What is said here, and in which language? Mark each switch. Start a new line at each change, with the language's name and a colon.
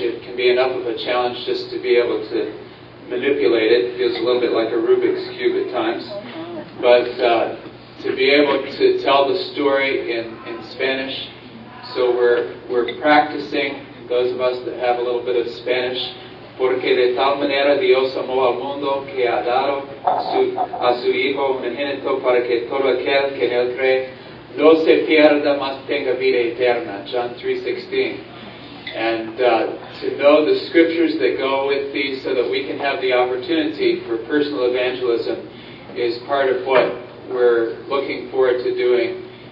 English: It can be enough of a challenge just to be able to manipulate it. It feels a little bit like a Rubik's Cube at times. But to be able to tell the story in Spanish. So we're practicing, those of us that have a little bit of Spanish.
Spanish: Porque de tal manera Dios amó al mundo que ha dado a su hijo unigénito para que todo aquel que en él cree no se pierda mas tenga vida eterna.
English: John 3:16. And to know the scriptures that go with these so that we can have the opportunity for personal evangelism is part of what we're looking forward to doing.